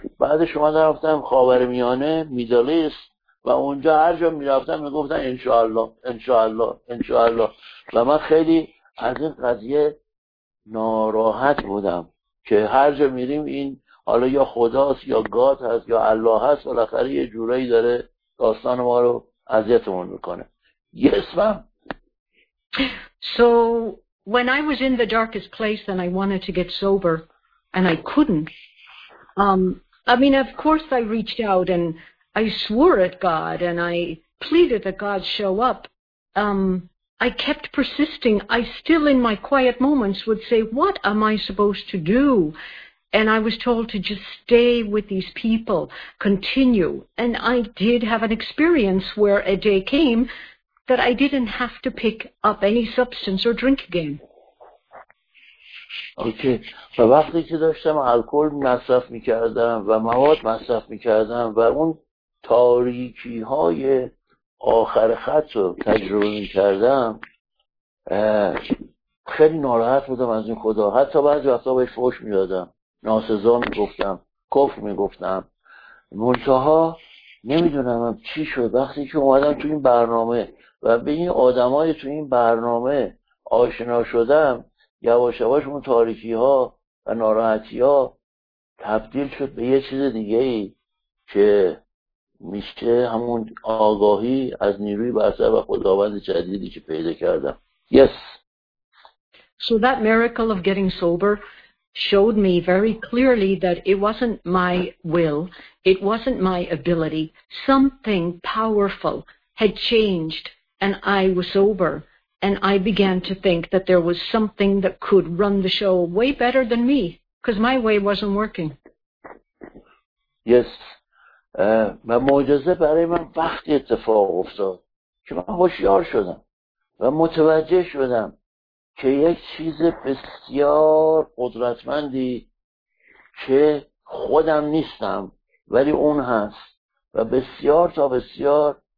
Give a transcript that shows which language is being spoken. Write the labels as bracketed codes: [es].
[fa] بعدش اومدم رفتم خاورمیانه میدل ایست و اونجا هر جا میرفتم میگفتن انشاءالله انشاءالله انشاءالله و من خیلی از این قضیه ناراحت بودم که هر جا میریم این حالا یا خداست یا گاد هست یا الله هست، بالاخره یه جورایی داره داستان ما رو اذیتمون میکنه. یه اسمم [en] So when I was in the darkest place and I wanted to get sober and I couldn't, I mean, of course I reached out and I swore at God and I pleaded that God show up. I kept persisting. I still in my quiet moments would say, what am I supposed to do? And I was told to just stay with these people, continue. And I did have an experience where a day came that I didn't have to pick up any substance or drink again. [fa] اوکی. و وقتی که داشتم الکل مصرف میکردم و مواد مصرف میکردم و اون تاریکی های آخر خط رو تجربه میکردم، خیلی ناراحت بودم از این خدا. حتی بعضی وقتا بهش فحش میدادم، ناسزا میگفتم، کفر میگفتم. منتها نمیدونم چی شد وقتی که اومدم تو این برنامه و به این آدم های تو این برنامه آشنا شدم، یواش یواش اون تاریکی ها و ناراحتی ها تبدیل شد به یه چیز دیگه ای که میشه همون آگاهی از نیروی بسر و خداوند جدیدی که پیدا کردم. [en] Yes. So that miracle of getting sober showed me very clearly that it wasn't my will, it wasn't my ability, something powerful had changed and I was sober. And I began to think that there was something that could run the show way better than me, because my way wasn't working. Yes. [fa] و معجزه برای من وقتی اتفاق افتاد که من هوشیار شدم و متوجه شدم که یک چیز بسیار قدرتمندی که خودم نیستم ولی اون هست و بسیار تا بسیار